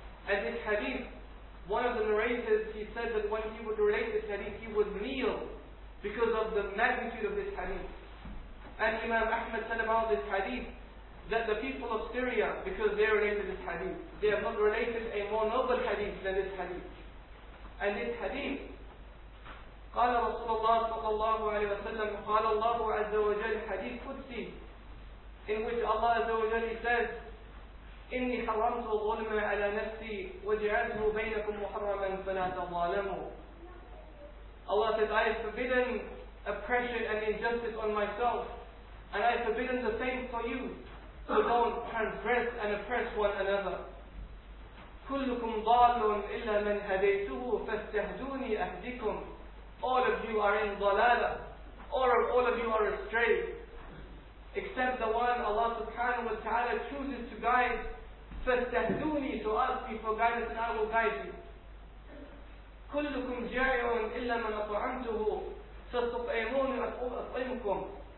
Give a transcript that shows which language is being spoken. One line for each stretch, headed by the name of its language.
English: And this hadith, one of the narrators, he said that when he would relate this hadith, he would kneel because of the magnitude of this hadith. And Imam Ahmad said about this hadith that the people of Syria, because they related to this hadith, they have not related a more noble hadith than this hadith. And this hadith,
Arabic: قال رسول الله صلى الله عليه وسلم قال الله عز وجل حديث قدسي,
English: in which Allah عز وجل says,
Arabic: إني حرمت الظلم على نفسي وجعلته بينكم محرما فلا تظالموا.
English: Allah says, I have forbidden oppression and injustice on myself, and I have forbidden the same for you, so don't transgress and oppress one another.
Arabic: كلكم ضال إلا من هديته فاستهدوني أهديكم.
English: All of you are in dalala, all of you are astray, except the one Allah subhanahu wa ta'ala chooses to guide.
Arabic: فَاسْتَهْدُونِي,
English: so ask me for guidance and I will guide you.
Arabic: كُلُّكُمْ جَائِعٌ إِلَّا مَنْ أَطْعَمْتُهُ فَاسْتُطْعِمُونِ أَطْعِمُكُمْ.